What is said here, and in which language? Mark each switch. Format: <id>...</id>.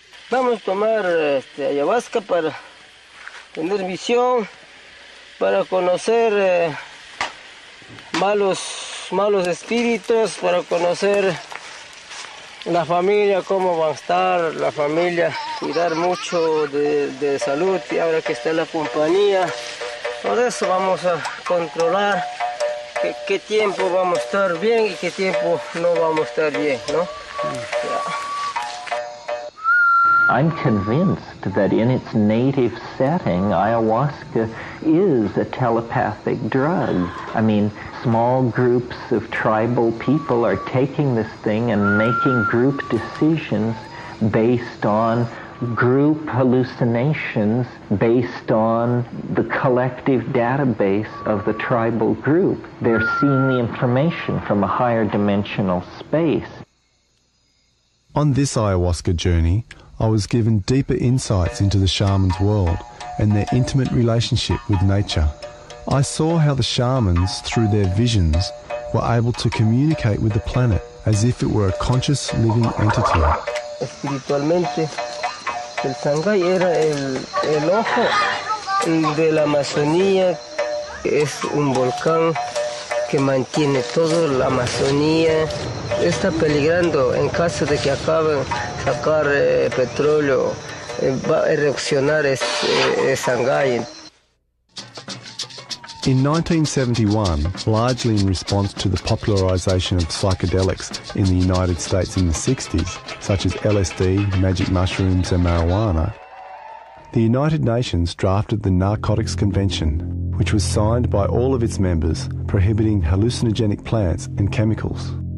<es>Vamos a tomar ayahuasca para tener visión, para conocer malos espíritus, para conocer la familia, cómo van a estar la familia, cuidar mucho de salud, y ahora que está la compañía, por eso vamos a controlar qué tiempo vamos a estar bien y qué tiempo no vamos a estar bien, ¿no? Mm.</es> <en>I'm convinced that in its native setting, ayahuasca is a telepathic drug. I mean, small groups of tribal people are taking this thing and making group decisions based on group hallucinations, based on the collective database of the tribal group. They're seeing the information from a higher dimensional space. On this ayahuasca journey, I was given deeper insights into the shaman's world and their intimate relationship with nature. I saw how the shamans, through their visions, were able to communicate with the planet as if it were a conscious living entity.</en> <es>Espiritualmente, el sangay era el ojo de la Amazonía. Es un volcán que mantiene toda la Amazonía. Está peligrando en caso de que acaben sacar petróleo, va a erupcionar el sangay.</es> <en>In 1971, largely in response to the popularization of psychedelics in the United States in the 60s, such as LSD, magic mushrooms, and marijuana, the United Nations drafted the Narcotics Convention, which was signed by all of its members, prohibiting hallucinogenic plants and chemicals.</en>